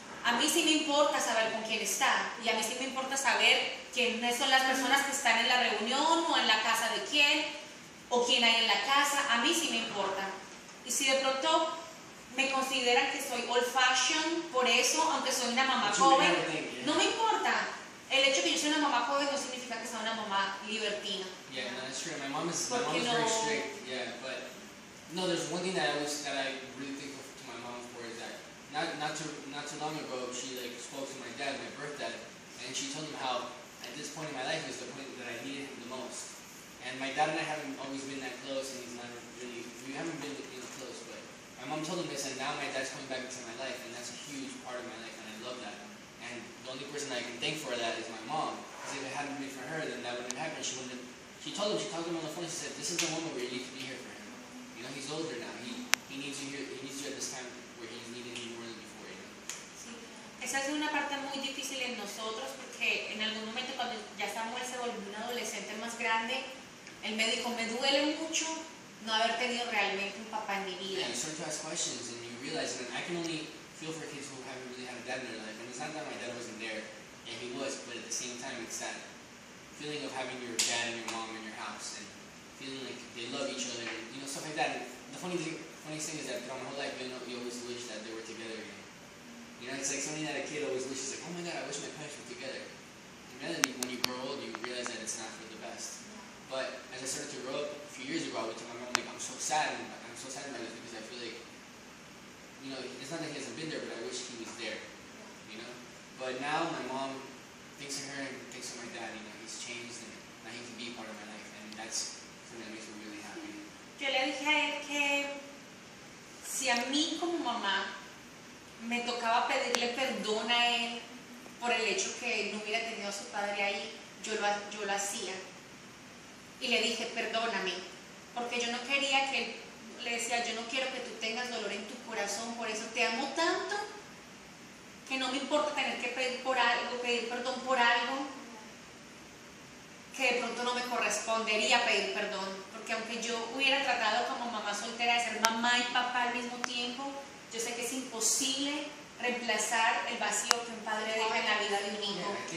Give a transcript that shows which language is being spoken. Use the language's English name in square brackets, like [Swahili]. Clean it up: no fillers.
[Spanish] A mí sí me importa saber con quién está, y a mí sí me importa saber quiénes son las personas que están en la reunión, o en la casa de quién, o quién hay en la casa, a mí sí me importa. Y si de pronto me consideran que soy old fashion, por eso, aunque soy una mamá joven, no me importa. El hecho que yo sea una mamá joven no significa que sea una mamá libertina. [English] Yeah, no, that's true. My mom is very strict. Yeah, but no, there's one thing that I really think of to my mom for is that not too long ago she like spoke to my dad, my birth dad, and she told him how at this point in my life is the point that I needed him the most. And my dad and I haven't always been that close, and he's never really, we haven't been, you know, close, but my mom told him this, and now my dad's coming back into my life, and that's a huge part of my life, and I love that. And the only person I can thank for that is my mom, because if it hadn't been for her, then that wouldn't have happened. She wouldn't have, she told him, she talked to him on the phone, she said, this is the moment where you need to be here for him. You know, he's older now, he needs you here, he needs you at this time where he's needing you more than before, you know. [Spanish] Sí. Esa es una parte muy difícil en nosotros, porque en algún momento cuando ya Samuel se volvió un adolescente más grande, él me dijo, me duele mucho no haber tenido realmente un papá en mi vida. [English] And you start to ask questions and you realize that I can only feel for kids who haven't really had a dad in their life. And it's not that my dad wasn't there, and he was, but at the same time it's that feeling of having your dad and your mom in your house and feeling like they love each other and, you know, stuff like that. And the funniest thing is that throughout my whole life, you always wish that they were together again. You know, it's like something that a kid always wishes, like, oh my God, I wish my parents were together. And then when you grow old, you realize that it's not for the best. But as I started to grow up a few years ago, I would tell my mom, like, I'm so sad about this because I feel like, you know, it's not that he hasn't been there, but I wish he was there, you know? But now my mom thinks of her and thinks of my dad, you know, he's changed and now he can be a part of my life, and that's something that makes me really happy. [Spanish] Yo le dije a él que si a mí como mamá me tocaba pedirle perdón a él por el hecho que no hubiera tenido a su padre ahí, yo lo hacía. Y le dije, perdóname, porque yo no quería que, le decía, yo no quiero que tú tengas dolor en tu corazón, por eso te amo tanto, que no me importa tener que pedir por algo, pedir perdón por algo, que de pronto no me correspondería pedir perdón, porque aunque yo hubiera tratado como mamá soltera de ser mamá y papá al mismo tiempo, yo sé que es imposible reemplazar el vacío que un padre deja en la vida de un hijo.